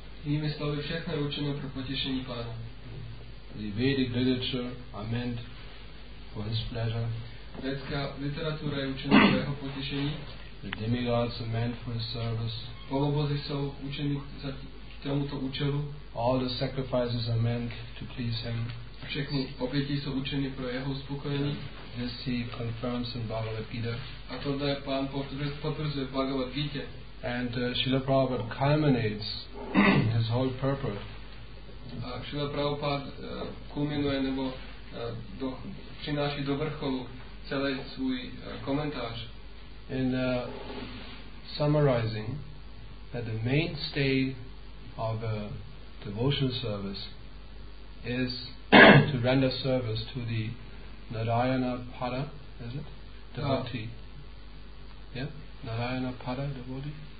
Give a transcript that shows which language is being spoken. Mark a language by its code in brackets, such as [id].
[en] The Vedic literature are meant for His pleasure. The demigods are meant for His service. All the sacrifices are meant to please Him. [cs] Všechny oběti jsou učeny pro jeho uspokojení. [en] This he confirms in Bhagavad Gita. [cs] A tohle pán potvrzuje v Bhagavad Gita. [en] And Srila Prabhupada culminates his whole purport. [cs] A Srila Prabhupada kulminuje nebo přináší do vrcholu celý svůj komentář. [en] In summarizing that the mainstay of a devotional service is to render service to the Narayana Pada, is it? Devotee. Yeah? Narayana Pada, devotee?